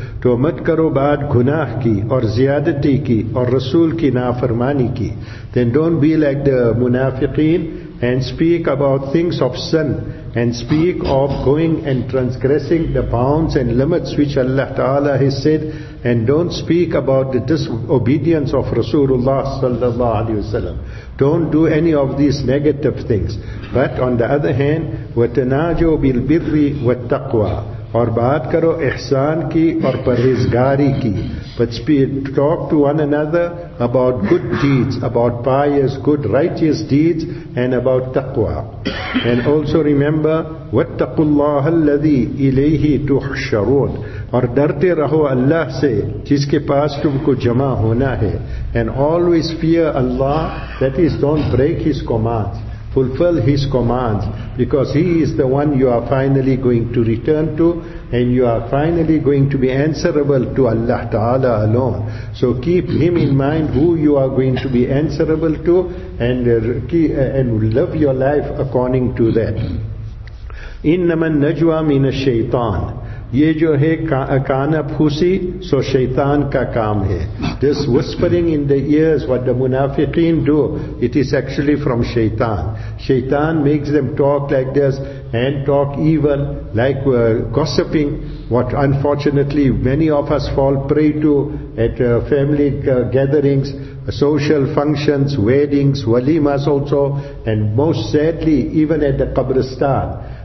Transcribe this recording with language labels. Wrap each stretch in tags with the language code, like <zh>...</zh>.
<ur>تو مت کرو بعد گناہ کی اور زیادتی کی اور رسول کی نافرمانی کی.</ur> <en>Then don't be like the munafiqeen and speak about things of sin and speak of going and transgressing the bounds and limits which Allah Ta'ala has said, and don't speak about the disobedience of Rasulullah sallallahu alaihi wasallam. Don't do any of these negative things. But on the other hand,</en> <ar>watanajo bil birri wat taqwa,</ar> <ur>aur baat karo ihsan ki aur parhezgari ki.</ur> <en>But speak, talk to one another about good deeds, about pious, good, righteous deeds, and about taqwa. And also remember,</en> <ar>وَاتَّقُوا اللَّهَ الَّذِي إِلَيْهِ تُحْشَرُونَ.</ar> <ur>اور ڈرتے رہو اللہ سے جس کے پاس تم کو جمع ہونا ہے.</ur> <en>And always fear Allah, that is, don't break His commands. Fulfill His commands, because He is the one you are finally going to return to, and you are finally going to be answerable to Allah Ta'ala alone. So keep Him in mind, who you are going to be answerable to, and live your life according to that.</en> <ar>انما النجوى من الشیطان,</ar> <ur>یہ جو ہے کانا پھوسی سو شیطان کا کام ہے.</ur> <en>This whispering in the ears, what the منافقین do, it is actually from شیطان. شیطان makes them talk like this and talk evil, like gossiping, what unfortunately many of us fall prey to at family gatherings, social functions, weddings, walimas also, and most sadly even at the qabristan.</en>